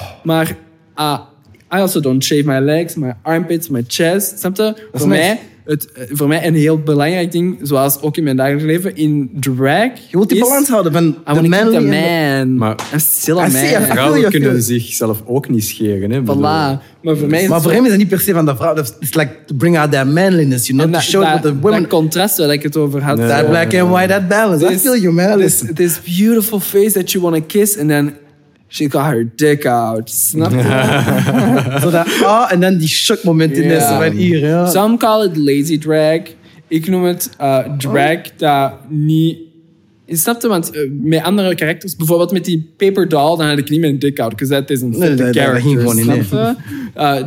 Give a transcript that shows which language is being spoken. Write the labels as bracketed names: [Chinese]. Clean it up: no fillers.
[Dutch] Maar [English] I also don't shave my legs, my armpits, my chest. [Dutch] Snap je? Voor mij een heel belangrijk ding, zoals ook in mijn dagelijks leven, in drag. Je wilt die balans houden van de man. [English] I'm a man. [Dutch] Maar [English] still a man. [Dutch] Vrouwen kunnen zichzelf ook niet scheren. Voilà. Maar voor mij hem is dat niet per se van de vrouw. [English] It's like to bring out their manliness, you know? To show that the women. [Dutch] Dat contrast waar ik het over had. [English] That black and white, that balance. I feel you, man. This beautiful face that you want to kiss and then she got her dick out. [Dutch] Snap je? Zo dat, en dan die shock moment in deze van hier. Ja. [English] Some call it lazy drag. [Dutch] Ik noem het drag dat niet... Snap je? Want met andere characters, bijvoorbeeld met die paper doll, dan had ik niet meer een [English] dick out. Because that isn't the character. [Dutch] Dat ging gewoon in.